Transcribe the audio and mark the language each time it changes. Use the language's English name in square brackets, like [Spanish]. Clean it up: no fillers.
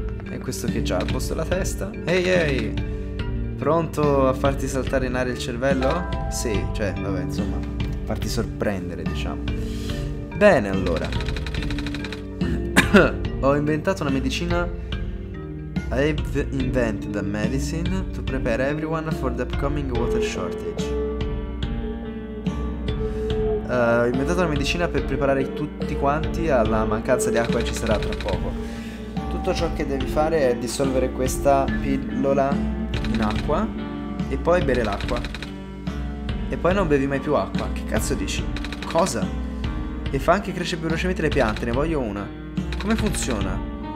[Italian] E questo che già ha posto la testa? Ehi, ehi! Pronto a farti saltare in aria il cervello? Sì, cioè, vabbè, insomma, farti sorprendere, diciamo. Bene, allora. Ho inventato una medicina. [English] I've invented a medicine to prepare everyone for the upcoming water shortage. [Italian] Ho inventato una medicina per preparare tutti quanti alla mancanza di acqua che ci sarà tra poco. Tutto ciò che devi fare è dissolvere questa pillola in acqua e poi bere l'acqua. E poi non bevi mai più acqua. Che cazzo dici? Cosa? E fa anche crescere più velocemente le piante, ne voglio una. Come funziona?